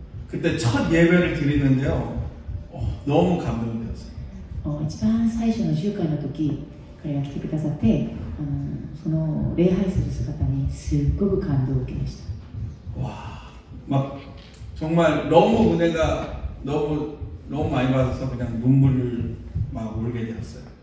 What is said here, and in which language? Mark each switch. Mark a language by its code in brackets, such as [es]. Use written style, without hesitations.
[ko] 그때 첫 예배를 드렸는데요. 너무 감동되었어요. [ja] 一番最初の集会の時 彼が来てくださって、その礼拝する姿にすっごく感動を受けました。 [ko] 와, 막 정말 너무 은혜가 너무 많이 받아서 그냥 눈물을 막 흘리게 되었어요.